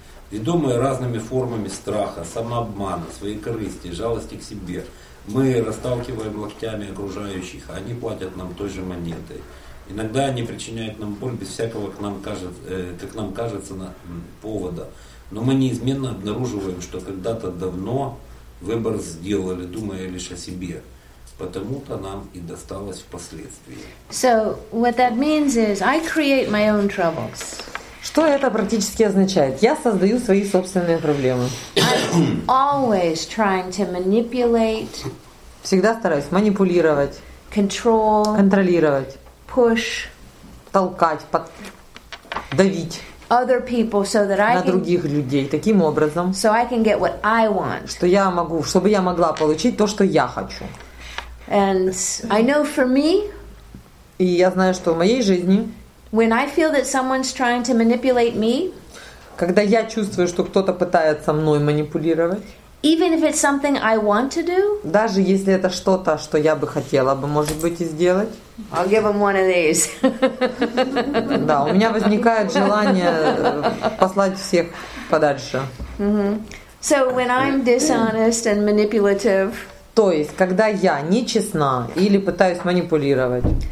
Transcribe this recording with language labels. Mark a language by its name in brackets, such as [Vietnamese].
[Russian] Ведомые разными формами страха, самообмана, своей корысти, жалости к себе, мы расталкиваем локтями окружающих, а они платят нам той же монетой. Иногда они причиняют нам боль без всякого, как нам кажется, повода. Но мы неизменно обнаруживаем, что когда-то давно выбор сделали, думая лишь о себе. Потому-то нам и досталось впоследствии. [English] So, what that means is, I create my own troubles. [Russian] Что это практически означает? Я создаю свои собственные проблемы. [English] I'm always trying to manipulate. [Russian] Всегда стараюсь манипулировать. [English] Control. [Russian] Контролировать. [English] Push. [Russian] Толкать, давить. [English] Other people, so that I [Russian] на других [English] can, [Russian] людей таким образом. [English] So I can get what I want. [Russian] Что я могу, чтобы я могла получить то, что я хочу. [English] And I know for me. [Russian] И я знаю, что в моей жизни. [English] When I feel that someone's trying to manipulate me. [Russian] Когда я чувствую, что кто-то пытается мной манипулировать. [English] Even if it's something I want to do. [Russian] Даже если это что-то, что я бы хотела бы, может быть, и сделать. [English] I'll give him one of these. [Russian] Да, у меня возникает желание послать всех подальше. [English] Mm-hmm. So when I'm dishonest and manipulative. [Russian] То есть, когда я нечестна или пытаюсь манипулировать,